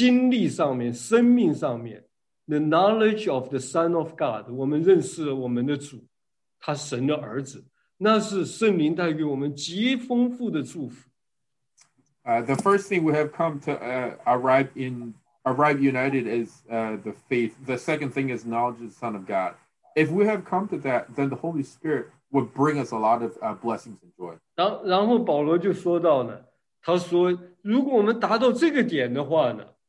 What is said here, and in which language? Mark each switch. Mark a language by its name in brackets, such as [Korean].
[Chinese] 第一个是在整个真道上面我们没有争论了,大家都达到一个认识了。那么第二个呢,就是在经历上面,生命上面。 [English] The knowledge of the Son of God, [Chinese] 我们认识了我们的主，他神的儿子，那是圣灵带给我们极丰富的祝福。The [English] first thing we have come to arrive united is the faith. The second thing is knowledge of the Son of God. If we have come to that, then the Holy Spirit would bring us a lot of blessings and joy. [Chinese] 然后保罗就说到呢，他说，如果我们达到这个点的话呢。